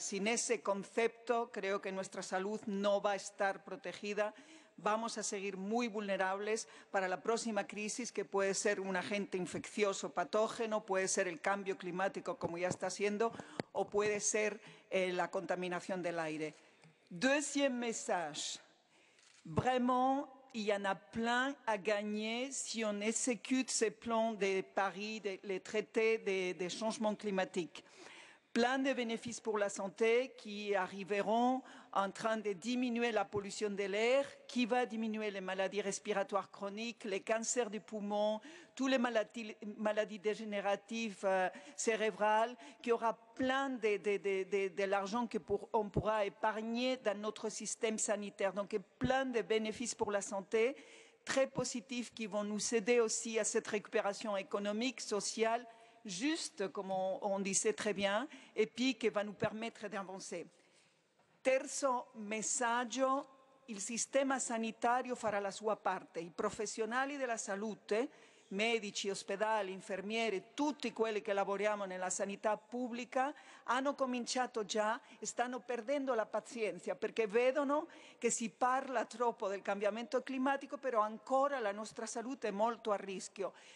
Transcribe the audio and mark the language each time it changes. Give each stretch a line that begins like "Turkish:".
Spanish: Sin ese concepto, creo que nuestra salud no va a estar protegida. Vamos a seguir muy vulnerables para la próxima crisis, que puede ser un agente infeccioso patógeno, puede ser el cambio climático, como ya está siendo, o puede ser la contaminación del aire.
French: Deuxième message. Vraiment, il y en a plein à gagner si on exécute ce plan de Paris, les traités de changement climatique. Plein de bénéfices pour la santé qui arriveront en train de diminuer la pollution de l'air, qui va diminuer les maladies respiratoires chroniques, les cancers du poumon, toutes les maladies dégénératives cérébrales, qui aura plein de l'argent qu'on pourra épargner dans notre système sanitaire. Donc plein de bénéfices pour la santé, très positifs, qui vont nous aider aussi à cette récupération économique, sociale, juste, comme on disait très bien, et puis qui va nous permettre d'avancer.
Italian: Terzo messaggio, il sistema sanitario farà la sua parte, i professionali della salute, medici, ospedali, infermieri, tutti quelli che lavoriamo nella sanità pubblica hanno cominciato già, stanno perdendo la pazienza perché vedono che si parla troppo del cambiamento climatico, però ancora la nostra salute è molto a rischio.